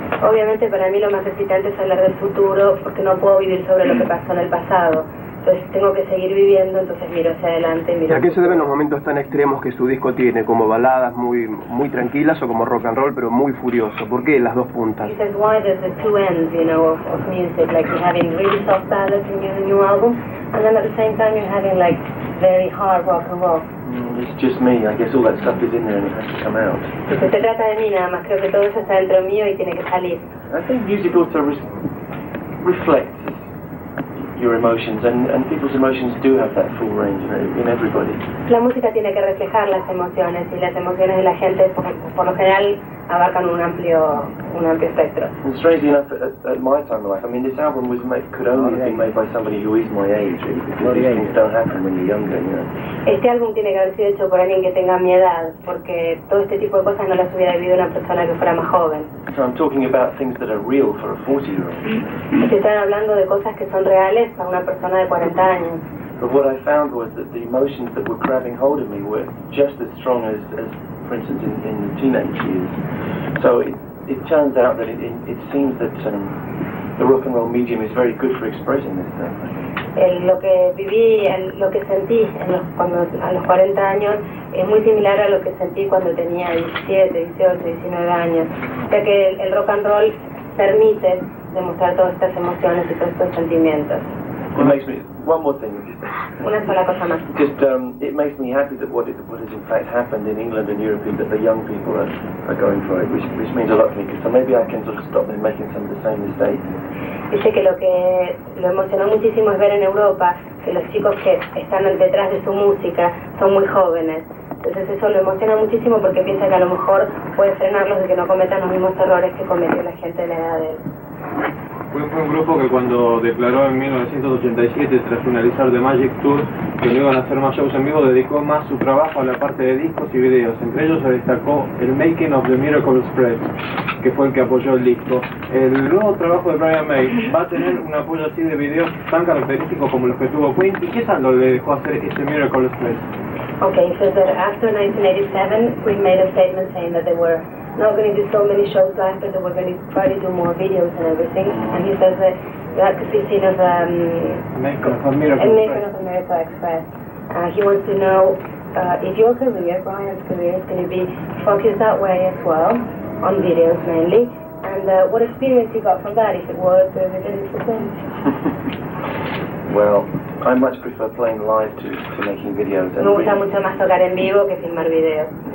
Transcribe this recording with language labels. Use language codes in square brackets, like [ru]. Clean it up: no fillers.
[es] Obviamente para mí lo más excitante es hablar del futuro, porque no puedo vivir sobre lo que pasó en el pasado. Entonces tengo que seguir viviendo, entonces miro hacia adelante. Miro. ¿Y a qué se deben los momentos tan extremos que su disco tiene, como baladas muy tranquilas o como rock and roll, pero muy furioso? ¿Por qué las dos puntas? [en] He says, why there's the two ends, you know, of music, like you're having really soft ballads in your new album, and then at the same time you're having like very hard rock and roll. It's just me, I guess all that stuff is in there and it has to come out. [es] Se trata de mí nada más, creo que todo eso está dentro mío y tiene que salir. [en] I think music also reflects your emotions, and people's emotions do have that full range in everybody. [es] La música tiene que reflejar las emociones, y las emociones de la gente por lo general abarcan un amplio espectro. [en] And strangely enough, at my time of life, I mean, this album was made, could only have been made by somebody who is my age, because these things don't happen when you're younger, you know. [es] Este álbum tiene que haber sido hecho por alguien que tenga mi edad, porque todo este tipo de cosas no las hubiera vivido una persona que fuera más joven. [en] So I'm talking about things that are real for a 40-year-old. [es] Se están hablando de cosas que son reales para una persona de 40 años. [en] But what I found was that the emotions that were grabbing hold of me were just as strong as for instance, in the teenage years. So it turns out that it seems that the rock and roll medium is very good for expressing this thing. [es] Lo que viví, lo que sentí a los 40 años es muy similar a lo que sentí cuando tenía 17, 18, 19 años. O sea que el rock and roll permite demostrar todas estas emociones y todos estos sentimientos. [en] One more thing. [es] Una sola cosa más. [en] Just it makes me happy that what has in fact happened in England and Europe is that the young people are going for it, which means a lot to me, because so maybe I can sort of stop them making some of the same mistakes. [es] Dice que lo emocionó muchísimo es ver en Europa que los chicos que están detrás de su música son muy jóvenes. Entonces eso lo emociona muchísimo porque piensa que a lo mejor puede frenarlos de que no cometan los mismos errores que cometió la gente de la edad de él. Fue un grupo que cuando declaró en 1987, tras finalizar The Magic Tour, que no iban a hacer más shows en vivo, dedicó más su trabajo a la parte de discos y videos. Entre ellos se destacó el Making of the Miracle Spread, que fue el que apoyó el disco. ¿El nuevo trabajo de Brian May va a tener un apoyo así de videos tan característico como los que tuvo Queen? ¿Y qué tal lo le dejó hacer ese Miracle Spread? [en] Okay, so that after 1987, we made a statement saying that there were not going to do so many shows live, but they were going to try to do more videos and everything. And he says that you have to be seen as a Make of America Express. He wants to know if your career, Brian's career, is going to be focused that way as well, on videos mainly, and what experience you got from that, if it was or if it didn't for him. Well, I much prefer playing live to making videos. [es] Me gusta mucho más tocar en vivo que filmar videos.